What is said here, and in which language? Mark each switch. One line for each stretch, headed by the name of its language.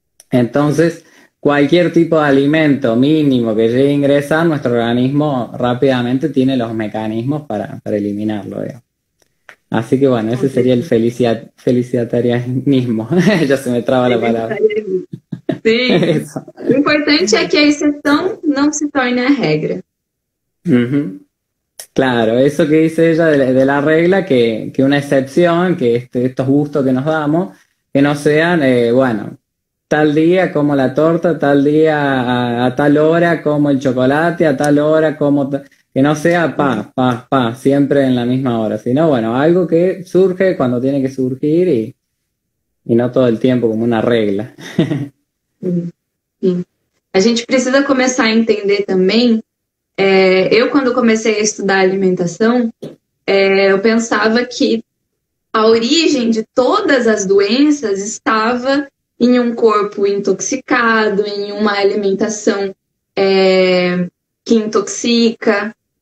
Spanish: Entonces, cualquier tipo de alimento mínimo que llegue a ingresar, nuestro organismo rápidamente tiene los mecanismos para eliminarlo, digamos. Así que bueno, ese sería el felicitarianismo. Ya se me traba la palabra. Sí, Eso.
Portuguese: o importante é que a exceção não se torne a regra.
Spanish: Claro, eso que dice ella de la regla, que una excepción, que estos gustos que nos damos, que no sean, bueno, tal día como la torta, tal día a tal hora como el chocolate, a tal hora como, que no sea pa, pa, pa, siempre en la misma hora, sino bueno, algo que surge cuando tiene que surgir y no todo el tiempo como una regla.
Portuguese: Sim. A gente precisa começar a entender também. Eu, quando comecei a estudar alimentação, eu pensava que a origem de todas as doenças estava em um corpo intoxicado, em uma alimentação, que intoxica.